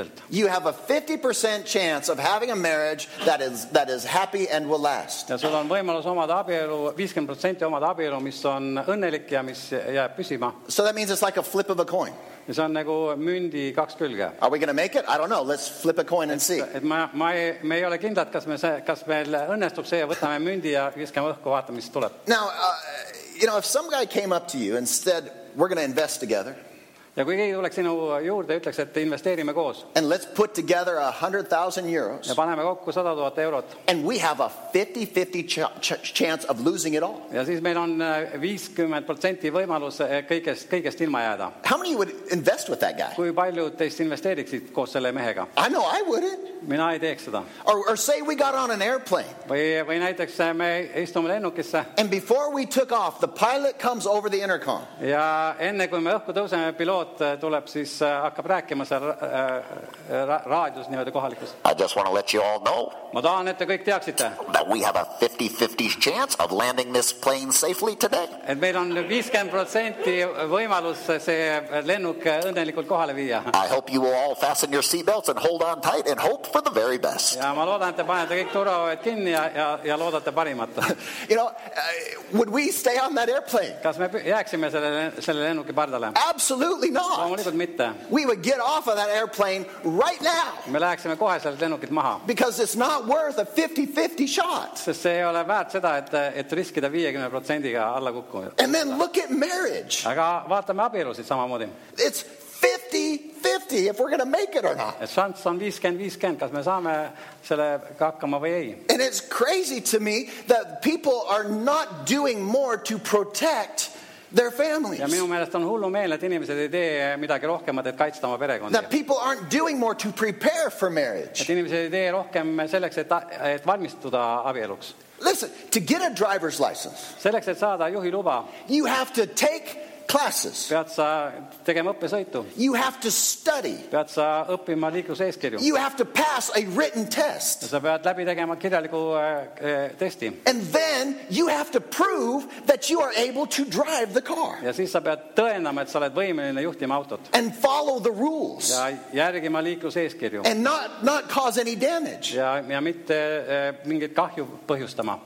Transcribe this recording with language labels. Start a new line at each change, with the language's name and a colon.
English: You have a 50% chance of having a marriage that is happy and will last.
Estonian: Ja sul on võimalus omada abielu, 50% omada abielu, mis on õnnelik ja mis jääb püsima.
English: So that means it's like a flip of a coin.
Estonian: Ja see on nagu mündi kaks külge.
English: Are we going to make it? I don't know. Let's flip a coin and see.
Estonian: Me ei ole kindlad, kas meil õnnestub see, võtame mündi ja viskame õhku, vaatame, mis tuleb.
English: Now, you know, if some guy came up to you and said, we're going to invest together.
Estonian: Ja kui keegi tuleks sinu juurde, ütleks, et investeerime koos.
English: And let's put together 100,000 euros.
Estonian: Ja paneme kokku 100,000 eurot.
English: And we have a 50-50 chance of losing it all.
Estonian: Ja siis meil on 50% võimalus kõigest ilma jääda.
English: How many would invest with that guy?
Estonian: Kui palju teist investeeriksid koos selle mehega?
English: I know I wouldn't.
Estonian: Mina ei teeks seda.
English: Or say we got on an airplane.
Estonian: Või näiteks me istume lennukisse.
English: And before we took off, the pilot comes over the intercom.
Estonian: Ja enne kui me õhku tõuseme, piloot tuleb siis hakkab rääkima seal raadios niimoodi kohalikus.
English: I just want to let you all know.
Estonian: Ma tahan, et te kõik teaksite.
English: That we have a 50-50 chance of landing this plane safely today.
Estonian: Et meil on 50% võimalus see lennuk õnnelikult kohale viia.
English: I hope you will all fasten your seatbelts and hold on tight and hope for the very best.
Estonian: Ja ma loodan, et te panete kõik turvavööd kinni ja loodate parimat.
English: You know, would we stay on that airplane?
Estonian: Kas me jääksime selle lennuki pardale?
English: Absolutely not.
Estonian: Loomulikult mitte.
English: We would get off of that airplane right now.
Estonian: Me läheksime kohe selle lennukit maha.
English: Because it's not worth a 50-50 shot.
Estonian: Sest see ei ole väärt seda, et riskida 50% alla kukku.
English: And then look at marriage.
Estonian: Aga vaatame abielusid samamoodi.
English: It's 50-50 if we're going to make it or not.
Estonian: Ja šanss on 50-50, kas me saame selle hakkama või ei.
English: And it's crazy to me that people are not doing more to protect their families.
Estonian: Ja minu meelest on hullu meel, et inimesed ei tee midagi rohkemat, et kaitsta oma perekondi.
English: That people aren't doing more to prepare for marriage.
Estonian: Et inimesed ei tee rohkem selleks, et valmistuda abieluks.
English: Listen, to get a driver's license,
Estonian: selleks, et saada juhi luba,
English: you have to take classes.
Estonian: Pead sa tegema õppesõitu.
English: You have to study.
Estonian: Pead sa õppima liikluseeskirju.
English: You have to pass a written test.
Estonian: Sa pead läbi tegema kirjaliku testi.
English: And then you have to prove that you are able to drive the car.
Estonian: Ja siis sa pead tõendama, et sa oled võimeline juhtima autot.
English: And follow the rules.
Estonian: Ja järgima liikluseeskirju.
English: And not cause any damage.
Estonian: Ja mitte mingit kahju põhjustama.